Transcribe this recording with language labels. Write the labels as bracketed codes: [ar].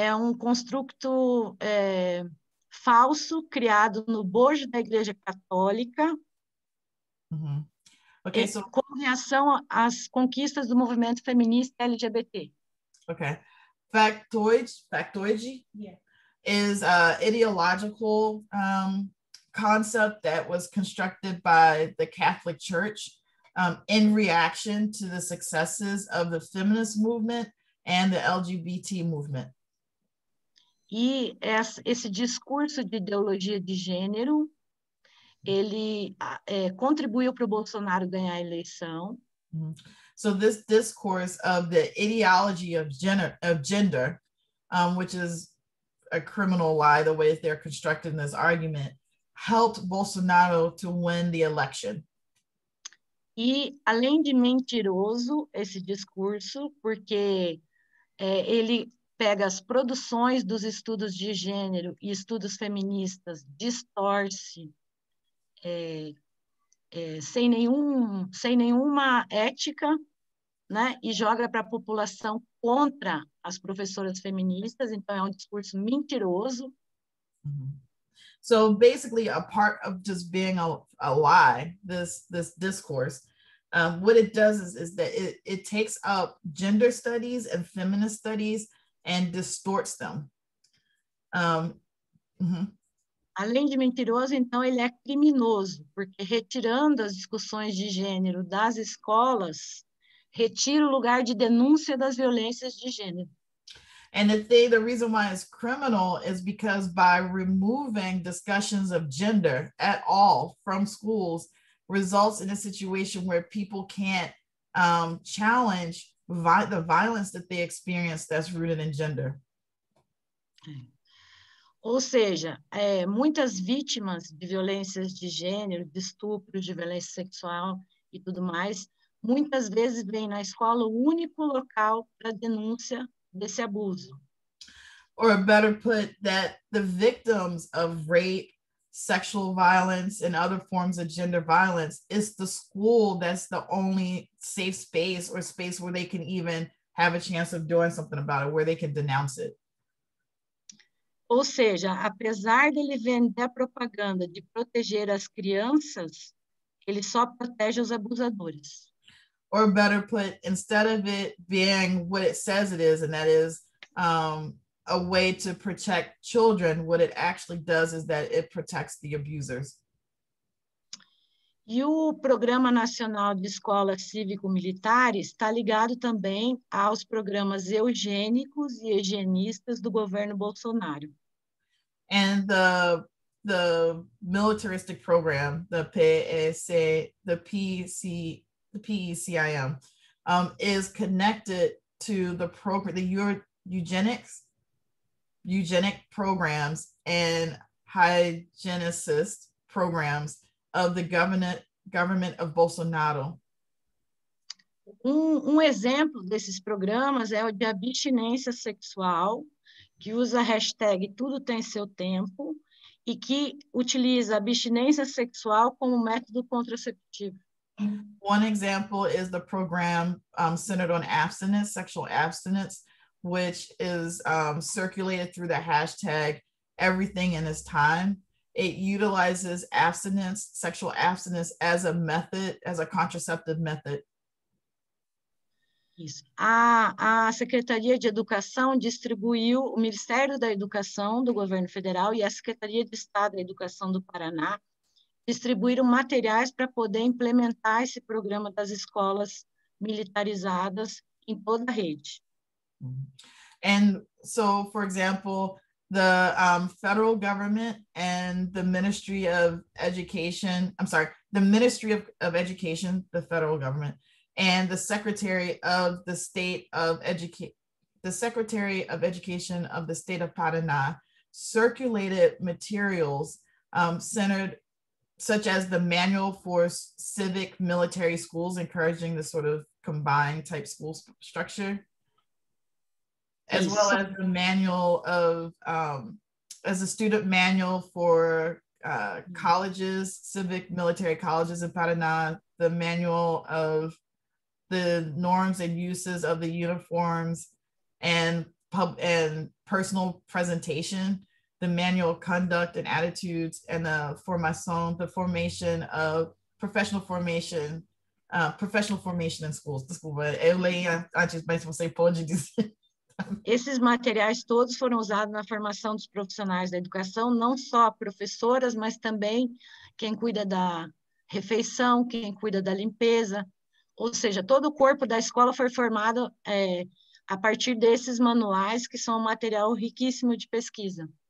[pt] é um constructo falso criado no bojo da Igreja Católica, [en] Okay, so [pt] com reação às conquistas do movimento feminista LGBT. [en] Okay, factoid is an ideological concept that was constructed by the Catholic Church in reaction to the successes of the feminist movement and the LGBT movement. [pt] E esse discurso de ideologia de gênero, ele contribuiu para o Bolsonaro ganhar a eleição. [en] So this discourse of the ideology of gender, which is a criminal lie, the way they're constructing this argument, helped Bolsonaro to win the election. [pt] E além de mentiroso esse discurso, porque ele pega as produções dos estudos de gênero e estudos feministas, distorce sem nenhuma ética, né, e joga para a população contra as professoras feministas. Então é um discurso mentiroso. [en] So basically, a part of just being a lie, this discourse, what it does is that it takes up gender studies and feminist studies and distorts them. [pt] Além de mentiroso, então, ele é criminoso, porque retirando as discussões de gênero das escolas, retira o lugar de denúncia das violências de gênero. [en] And the reason why it's criminal is because by removing discussions of gender at all from schools results in a situation where people can't challenge the violence that they experience that's rooted in gender. [pt] Ou seja, muitas vítimas de violências de gênero, de estupro, de violência sexual e tudo mais, muitas vezes vêm na escola o único local para denúncia desse abuso. [en] Or better put, that the victims of rape, sexual violence, and other forms of gender violence, it's the school that's the only safe space or space where they can even have a chance of doing something about it, where they can denounce it. [pt] Ou seja, apesar dele vender a propaganda de proteger as crianças, ele só protege os abusadores. [en] Or better put, instead of it being what it says it is, and that is a way to protect children, what it actually does is that it protects the abusers. [pt] E o Programa Nacional de Escolas Cívico-Militares está ligado também aos programas eugênicos e higienistas do governo Bolsonaro. [en] And the militaristic program, the PAC, the PECIM, is connected to the program, the eugenic programs and hygienicist programs of the government of Bolsonaro. [pt] Um exemplo desses programas é o de abstinência sexual, que usa a hashtag tudo tem seu tempo e que utiliza abstinência sexual como método contraceptivo. [en] One example is the program centered on abstinence, sexual abstinence, which is circulated through the hashtag everything in this time. It utilizes abstinence, sexual abstinence, as a method, as a contraceptive method. [pt] Isso. A Secretaria de Educação distribuiu, o Ministério da Educação do Governo Federal e a Secretaria de Estado da Educação do Paraná distribuíram materiais para poder implementar esse programa das escolas militarizadas em toda a rede. [en] And so, for example, the federal government and the Ministry of Education, I'm sorry, the Ministry of Education, the federal government, and the Secretary of the State of Education, the Secretary of Education of the State of Paraná circulated materials centered, such as the manual for civic military schools, encouraging the sort of combined type school structure. As well as the manual of, as a student manual for colleges, civic military colleges in Paraná, the manual of the norms and uses of the uniforms, and and personal presentation, the manual conduct and attitudes, and the formation in schools. [pt] Desculpa, eu leio antes, mas você pode dizer. Esses materiais todos foram usados na formação dos profissionais da educação, não só professoras, mas também quem cuida da refeição, quem cuida da limpeza. Ou seja, todo o corpo da escola foi formado a partir desses manuais, que são um material riquíssimo de pesquisa.